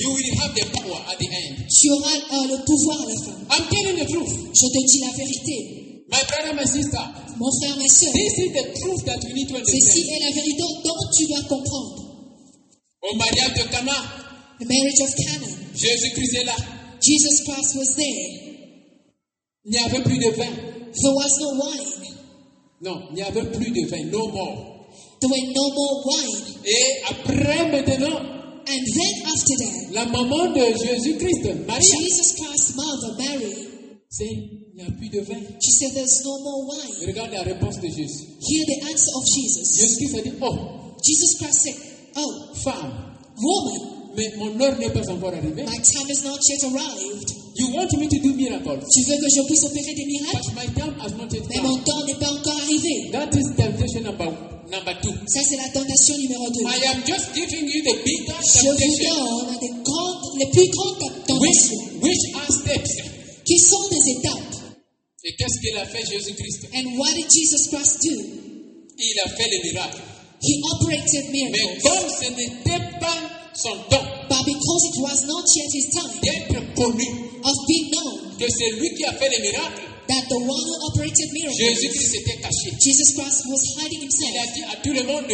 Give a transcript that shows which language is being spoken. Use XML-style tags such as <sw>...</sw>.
<en>You will have the power at the end.</en> <fr>Tu auras le pouvoir à la fin.</fr> <en>I'm telling the truth.</en> <fr>Je te dis la vérité.</fr> <en>My brother, my sister,</en> <fr>mon frère, ma soeur,</fr> <en>this is the truth that we need to understand.</en> <fr>Ceci est la vérité dont tu dois comprendre. Au mariage de Cana,</fr> <en>the marriage of Cana,</en> <fr>Jésus-Christ est là.</fr> <en>Jesus Christ was there.</en> <fr>Il n'y avait plus de vin.</fr> <en>There was no wine.</en> <fr>Non, il n'y avait plus de vin.</fr> <en>No more. There were no more wine.</en> <fr>Et après maintenant,</fr> <en>and then after that,</en> <fr>la maman de Jésus-Christ, Marie,</fr> <en>Jesus Christ's mother, Mary,</en> <fr>c'est, il n'y a plus de vin.</fr> <en>She said, there's no more wine.</en> <fr>Regarde la réponse de Jésus.</fr> <en>Hear the answer of Jesus.</en> <fr>Jésus-Christ a dit, oh.</fr> <en>Jesus Christ said, oh.</en> <fr>Femme.</fr> <en>Woman.</en> <fr>Mais mon heure n'est pas encore arrivée.</fr> <en>My time has not yet arrived. You want me to do miracles?</en> <fr>Tu veux que je puisse opérer des miracles?</fr> <en>But my time has not yet come.</en> <fr>Mais mon temps n'est pas encore arrivé.</fr> <en>That is temptation number 2.</en> <fr>Ça c'est la tentation numéro 2.</fr> <en>I am just giving you the big temptation.</en> <fr>Je vous donne les grandes, les plus grandes temptations.</fr> <en>Which are steps?</en> <fr>Qui sont des étapes? Et qu'est-ce qu'il a fait Jésus Christ?</fr> <en>And what did Jesus Christ do?</en> <fr>Il a fait les miracles.</fr> <en>He operated miracles.</en> <fr>Mais comme ce n'était pas son temps.</fr> <en>But because it was not yet his time.</en> <fr>D'être connu.</fr> <en>Of being known.</en> <fr>Que c'est lui qui a fait les miracles.</fr> <en>That the one who operated miracles.</en> <fr>Jésus Christ était caché.</fr> <en>Jesus Christ was hiding himself.</en> <fr>Il a dit à tout le monde de</fr>